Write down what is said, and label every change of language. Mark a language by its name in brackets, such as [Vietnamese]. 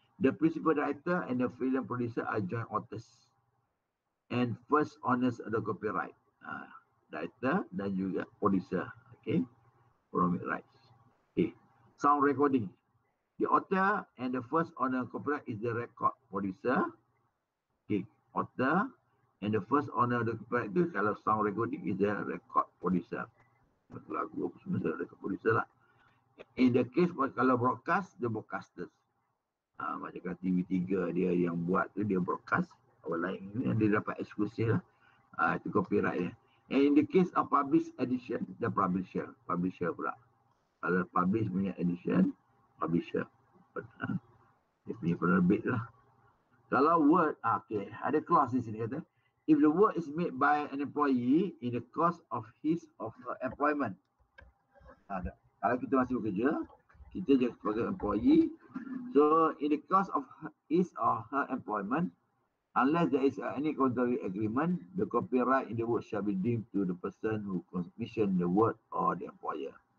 [English] The principal director and the film producer are joint authors. And first owners of the copyright. [Malay] Director dan juga producer. [English] Okay. Promit rights. Okay. Sound recording. The author and the first owner of copyright is the record producer. Okay. Author. And the first owner of the copyright [Malay] tu kalau [English] sound recording is the record producer. [Malay] Lagu apa semua saya [English] record producer [Malay] lah. [English] In the case [Malay] kalau [English] broadcast, the broadcasters. [Malay] Macam kat TV3 dia yang buat tu dia broadcast. Orang lain ni dia dapat eksklusif lah. Itu copyright dia. [English] And in the case of published edition, the publisher. [Malay] Publisher pula. Kalau publish punya edition, publisher. Dia punya penerbit lah. Kalau word, okay. Ada clause di sini kata. [English] If the work is made by an employee in the course of his or her employment. [Malay] Kalau kita masih bekerja, kita je sebagai employee. [English] So, in the course of his or her employment, unless there is any contrary agreement, the copyright in the work shall be deemed to the person who commissioned the work or the employer.